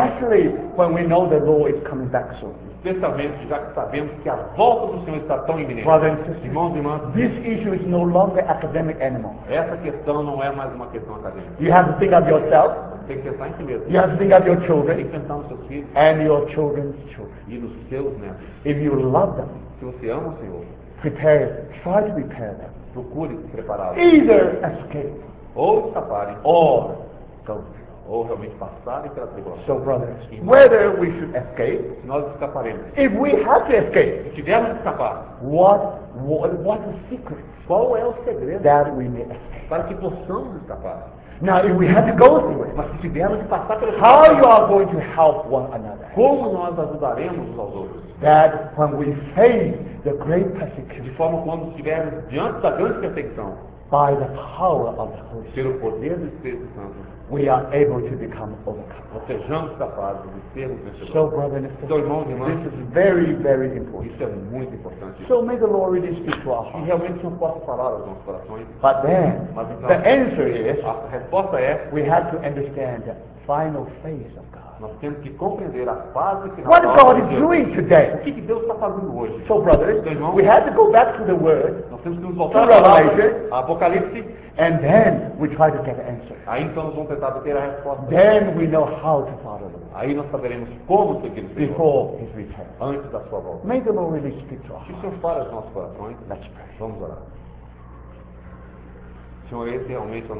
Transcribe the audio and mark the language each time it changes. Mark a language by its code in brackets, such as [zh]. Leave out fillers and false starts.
[en] Especially when we know the Lord is coming back soon. [pt] Especialmente já que sabemos que a volta do Senhor está tão iminente. [en] Brother and sister, [pt] irmãos e irmãs, [en] this issue is no longer academic anymore. [pt] Essa questão não é mais uma questão acadêmica. [en] You have to think of yourself. [pt] Tem que pensar em si mesmo. [en] You have to think of your children. [pt] Tem que pensar nos seus filhos. [en] And your children's children. [pt] E nos seus netos. [en] If you love them, [pt] se você ama o Senhor, [en] prepare, try to prepare them. [pt] Procure prepará-los. [en] Either escape, [pt] ou escaparem, [en] or go. [pt] Ou realmente passarem pela tribulação. [en] So, brothers, whether we should escape, [pt] se nós escaparemos, [en] if we have to escape, [pt] se tivermos que escapar, [en] what the secret? [pt] Qual é o segredo? [en] That we may escape. [pt] Para que possamos escapar. [en] Now, if we have to go through it, [pt] mas se tivermos que passar pela tribulação, [en] how you are going to help one another? [pt] Como nós ajudaremos uns aos outros? [en] That when we face the great persecution, [pt] de forma quando estivermos diante da grande perseguição, [en] by the power of the Holy Spirit, [pt] pelo poder do Espírito Santo, [en] we are able to become overcomers. [pt] Sejamos capazes de sermos vencedores. [en] So, brother and sister, [pt] então, irmãos e irmãs, [en] this is very, very important. [pt] Isso é muito importante. [en] So may the Lord really speak to our hearts. [pt] E realmente não posso falar aos nossos corações. [en] But then, [pt] mas, então, [en] the answer is, [pt] a resposta é, [en] we have to understand the final phase of God. [pt] Nós temos que compreender a fase final. [en] What God is doing today? [pt] O que Deus está fazendo hoje? [en] So, brothers, [pt] então, irmãos, [en] we have to go back to the Word. [pt] Nós temos que nos voltar para a palavra. Apocalipse. [en] And then we try to get the answer. [pt] Aí então nós vamos tentar obter a resposta. [en] Then we know how to follow him. [pt] Aí nós saberemos como seguir o Senhor. [en] Before his return. [pt] Antes da sua volta. [en] May the Lord really speak to us. [pt] Que o Senhor fale aos nossos corações. [en] Let's pray. [pt] Vamos orar. Senhor, esse realmente é o nosso.